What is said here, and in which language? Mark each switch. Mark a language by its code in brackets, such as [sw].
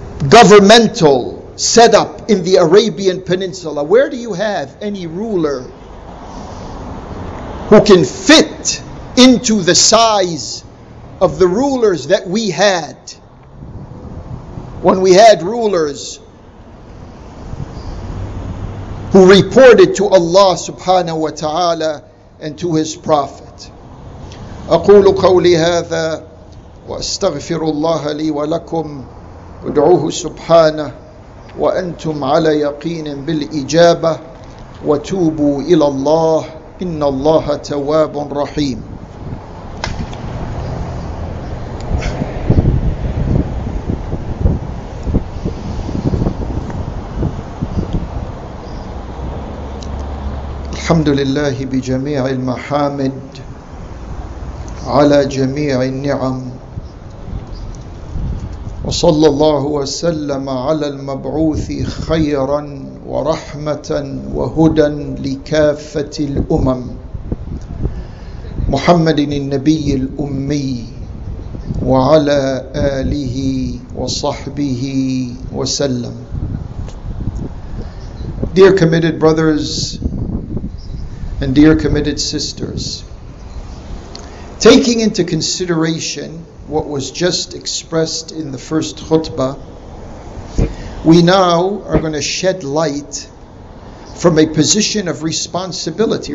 [en] governmental set up in the Arabian Peninsula, where do you have any ruler who can fit into the size of the rulers that we had when we had rulers who reported to Allah subhanahu wa ta'ala and to His Prophet? [ar] أقول قولي هذا وأستغفر الله لي ولكم وادعوه سبحانه وأنتم على يقين بالإجابة وتوبوا إلى الله إن الله تواب رحيم. الحمد لله بجميع المحامد على جميع النعم، وصلى الله وسلم على المبعوث خيرا ورحمة وهدى لكافة الأمم محمد النبي الأمي وعلى آله وصحبه وسلم. [en] Dear committed brothers and dear committed sisters, taking into consideration what was just expressed in the first khutbah, we now are going to shed light from a position of responsibility.